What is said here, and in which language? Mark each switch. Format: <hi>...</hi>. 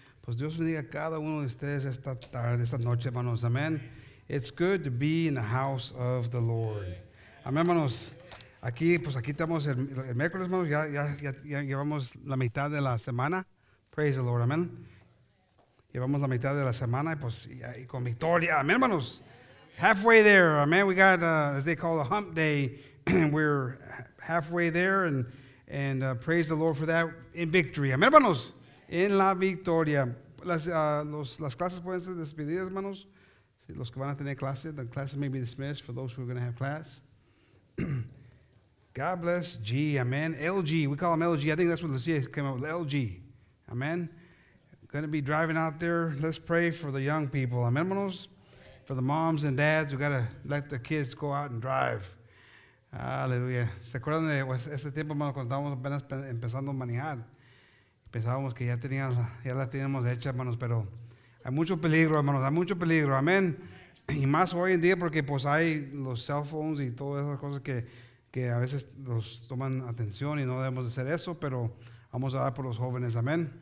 <es>Pues Dios bendiga a cada uno de ustedes esta tarde, esta noche, manos.</es> <en>Amen. It's good to be in the house of the Lord.</en> <es>Amen, manos. Aquí, pues aquí estamos el miércoles, manos. Ya llevamos la mitad de la semana.</es> <en>Praise the Lord.</en> <es>Amen. Llevamos la mitad de la semana y pues y con victoria. Amen, hermanos.</es> <en>Halfway there. Amen. We got, as they call it, a hump day. We're halfway there and praise the Lord for that in victory. Amen, hermanos.</en> <es>En la victoria. Las clases pueden ser despedidas, hermanos. Los que van a tener clase,</es> <en>the classes may be dismissed for those who are going to have class. God bless G. Amen. LG. We call them LG. I think that's what Lucia came up with. LG. Amen. Going to be driving out there. Let's pray for the young people. Amen, manos. For the moms and dads, we got to let the kids go out and drive.</en> <es>Aleluya. ¿Se acuerdan de ese tiempo, manos, cuando estábamos apenas empezando a manejar? Pensábamos que ya las teníamos hechas, manos, pero hay mucho peligro, manos. Hay mucho peligro. Amen. Y más hoy en día porque pues hay los cell phones y todas esas cosas que a veces nos toman atención y no debemos de hacer eso, pero vamos a orar por los jóvenes, amén.</es>